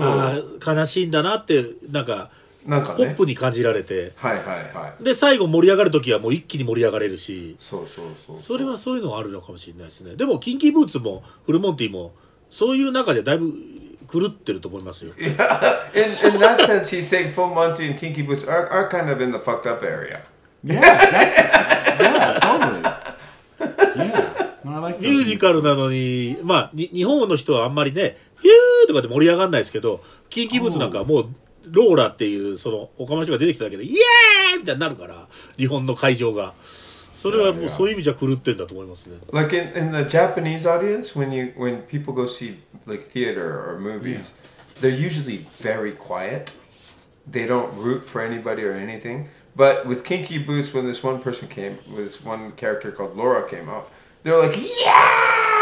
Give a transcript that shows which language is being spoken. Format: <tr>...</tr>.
<ja>う、あ悲しいんだなってなんか、ね、ポップに感じられて、はいはいはい、で最後盛り上がる時はもう一気に盛り上がれるし、そうそれはそういうのがあるのかもしれないですね。でもキンキーブーツもフルモンティもそういう中でだいぶ狂ってると思いますよ。</ja> <en>Yeah, in that sense he's saying Full Monty and Kinky Boots are kind of in the fucked up area. Yeah, yeah, totally. Yeah, I like that.</en> <ja>ミュージカルなのに、まあ日本の人はあんまりね、フューとかで盛り上がんないですけど、キンキーブーツなんかはもうローラっていうそのおかましが出てきただけでイエーイみたいになるから、日本の会場が。それはもうそういう意味じゃ狂ってんだと思いますね。</ja> <en>Yeah, yeah. Like in the Japanese audience, when people go see like theater or movies,、yeah. they're usually very quiet. They don't root for anybody or anything. But with Kinky Boots, when this one person came, with this one character called Laura came up, they're like, yeah!</en>